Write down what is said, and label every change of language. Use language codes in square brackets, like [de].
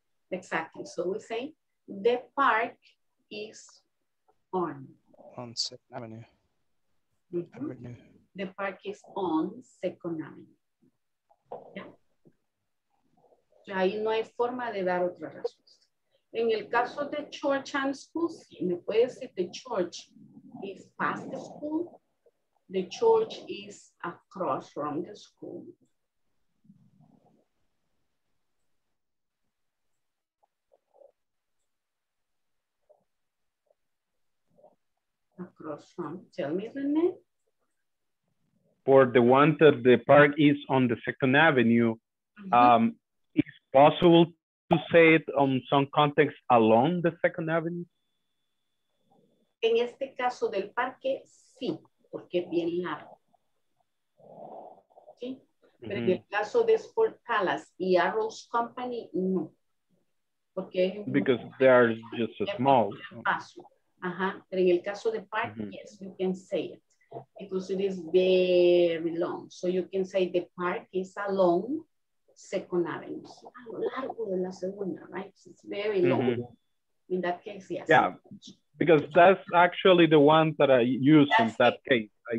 [en] Exactly. So we say the park is on. On Second Avenue. Mm-hmm. Avenue. The park is on Second Avenue. Yeah. [es] Ya ahí no hay forma de dar otra respuesta. En el caso de church and school, sí, me puede decir [en] the church is past the school, [es] the church is across from the school. [en] Across from, tell me the name. For the one that the park is on the Second Avenue, mm-hmm. It's possible to say it on some context along the Second Avenue? [es] En este caso del parque, sí, porque es bien largo. Sí, mm-hmm. Pero en el caso de Sport Palace y Arrows Company, no. Porque [en] es because they are just so small. [es] Paso. Ajá, pero en el caso de park, mm-hmm. [en] Yes, you can say it. Because it is very long. So you can say the park is along Second Avenue. [es] A lo largo de la segunda, [en] right? So it's very long. Mm-hmm. In that case, yes. Yeah, because that's actually the one that I use in that case.